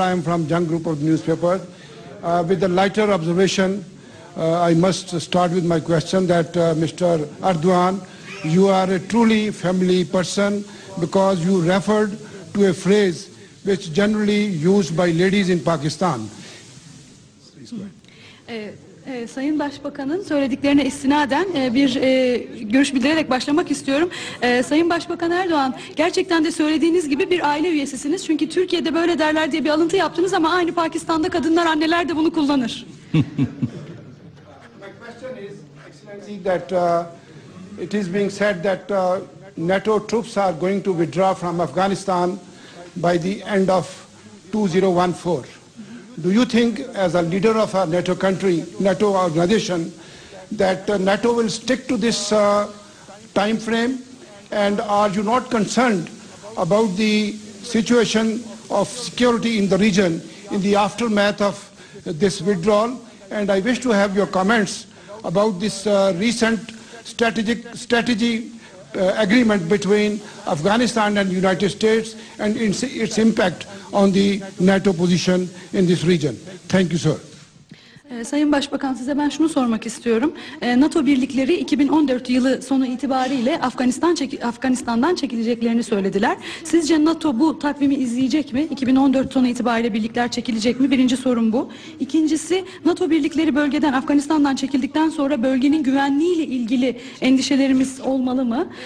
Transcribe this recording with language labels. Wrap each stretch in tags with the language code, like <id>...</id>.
<en>I am from Jung Group of the newspaper. With a lighter observation, I must start with my question that Mr. Erdogan, you are a truly family person because you referred to a phrase which generally used by ladies in Pakistan.</en> <tr>Sayın Başbakan'ın söylediklerine istinaden bir görüş bildirerek başlamak istiyorum. Sayın Başbakan Erdoğan, gerçekten de söylediğiniz gibi bir aile üyesisiniz. Çünkü Türkiye'de böyle derler diye bir alıntı yaptınız ama aynı Pakistan'da kadınlar, anneler de bunu kullanır.</tr> <en>My question is, Excellency, that it is being said that NATO troops are going to withdraw from Afghanistan by the end of 2014. Do you think, as a leader of a NATO country, NATO organization, that NATO will stick to this time frame? And are you not concerned about the situation of security in the region in the aftermath of this withdrawal? And I wish to have your comments about this recent strategy agreement between Afghanistan and United States and its impact on the NATO position in this region. Thank you, sir.</en> <tr>Sayın Başbakan, size ben şunu sormak istiyorum. NATO birlikleri 2014 yılı sonu itibariyle Afganistan'dan çekileceklerini söylediler. Sizce NATO bu takvimi izleyecek mi? 2014 sonu itibariyle birlikler çekilecek mi? Birinci sorum bu. İkincisi, NATO birlikleri bölgeden, Afganistan'dan çekildikten sonra bölgenin güvenliğiyle ilgili endişelerimiz olmalı mı?</tr>